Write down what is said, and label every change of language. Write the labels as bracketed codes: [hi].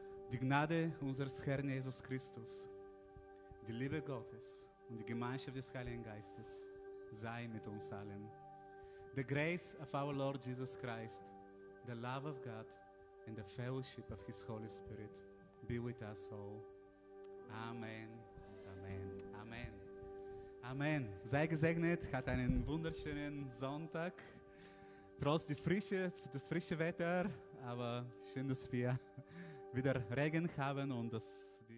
[de] Die Gnade unseres Herrn Jesus Christus, die Liebe Gottes und die Gemeinschaft des Heiligen Geistes sei mit uns allen. [en] The grace of our Lord Jesus Christ, the love of God and the fellowship of His Holy Spirit be with us all. [de] Amen. Amen. Amen. Amen. Sei gesegnet, hat einen wunderschönen Sonntag. Trotz das frische Wetter, aber schön, dass wir wieder Regen haben und das